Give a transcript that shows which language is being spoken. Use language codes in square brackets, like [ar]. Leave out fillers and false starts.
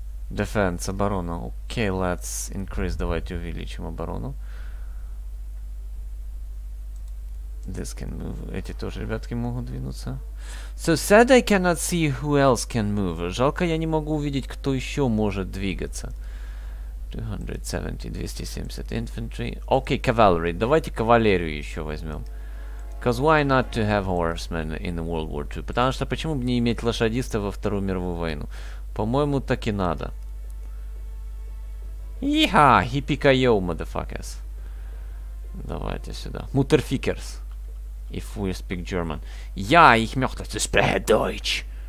[en] Defense, оборона. Okay, let's increase. [ru] Давайте увеличим оборону. [en] This can move. [ru] Эти тоже ребятки могут двинуться. [en] So sad I cannot see who else can move. [ru] Жалко, я не могу увидеть, кто еще может двигаться. [en] 270 infantry. Okay, cavalry. [ru] Давайте кавалерию еще возьмем. [en] Cause why not to have horsemen in World War II? [ru] Потому что почему бы не иметь лошадиста во Вторую мировую войну? По-моему, так и надо. [en] Yeeha! Hippie-ka-yo, motherfuckers. [ru] Давайте сюда. [en] Mutterfickers. If we speak German. Я их мёхта, ты спрехе дойч.